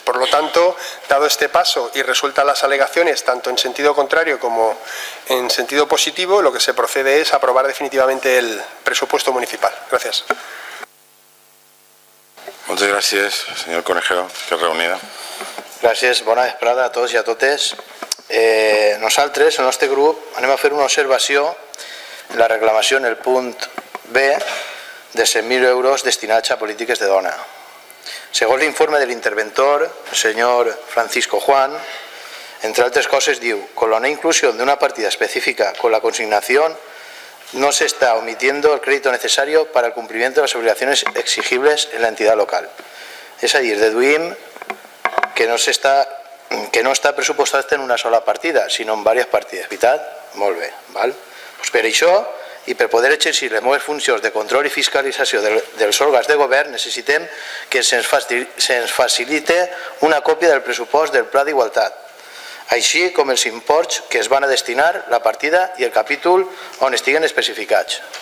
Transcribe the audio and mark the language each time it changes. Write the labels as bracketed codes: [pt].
[es] Por lo tanto, dado este paso y resueltas las alegaciones, tanto en sentido contrario como en sentido positivo, lo que se procede es aprobar definitivamente el presupuesto municipal. Gracias. Muchas gracias, señor consejero, que ha reunido. Gracias, buena esperada a todos y a todas. [ca] Nosaltres, en este grupo, anem a fer una observació. La reclamació en el punt B de 100.000 euros destinats a polítiques de dona. Segons l'informe de l'interventor, el senyor Francisco Juan, entre altres coses diu, [es] con la no inclusión de una partida específica con la consignación, no se está omitiendo el crédito necesario para el cumplimiento de las obligaciones exigibles en la entidad local. [ca] És a dir, deduïm que [es] no se está que no está presupuestada en una sola partida, sino en varias partidas. [ca] ¿Vital? Molt bé, val? Pues per això, i per poder exercir les meves funcions de control i fiscalització dels òrgans de govern, necessitem que se'ns facilite una còpia del pressupost del Pla d'Igualtat, així com els imports que es van a destinar, la partida i el capítol on estiguen especificats.